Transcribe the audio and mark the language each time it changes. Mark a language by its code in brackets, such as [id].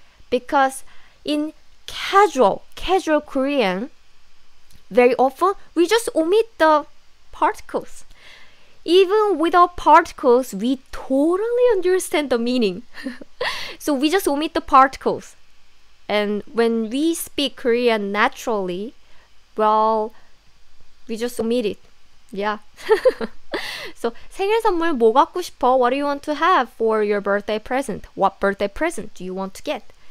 [en] Because in casual Korean, very often we just omit the particles. Even without particles, we totally understand the meaning. So we just omit the particles. And when we speak Korean naturally, well, we just omit it. Yeah. [ko] So, 생일 선물 뭐 갖고 싶어? [en] What do you want to have for your birthday present? What birthday present do you want to get?